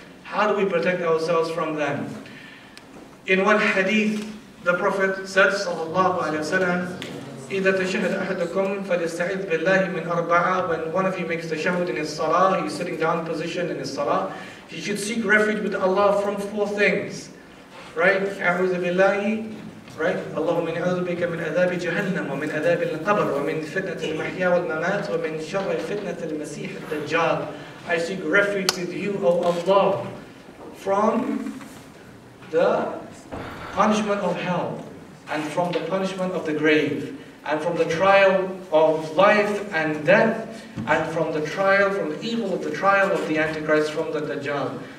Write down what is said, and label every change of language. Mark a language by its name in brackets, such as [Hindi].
[English] How do we protect ourselves from them? In one hadith, the Prophet said, sallallahu alayhi wa sallam, [Arabic] إِذَا تَشَهَدْ أَحَدَكُمْ فَلِيَسْتَعِذْ بِاللَّهِ مِنْ أَرْبَعَ. [English] When one of you makes the shahud in his salah, he's sitting down position in his salah, he should seek refuge with Allah from four things. Right? [Arabic] أَعُوذُ بِاللَّهِ [English] right? [Arabic] اللهم إني أعوذ بك من عذاب جهنم ومن عذاب القبر ومن فتنة المحيا والممات ومن شر فتنة المسيح الدجال. [English] I seek refuge with you, O Allah, from the punishment of hell and from the punishment of the grave and from the trial of life and death and from the trial, from the evil of the trial of the Antichrist, from the Dajjal.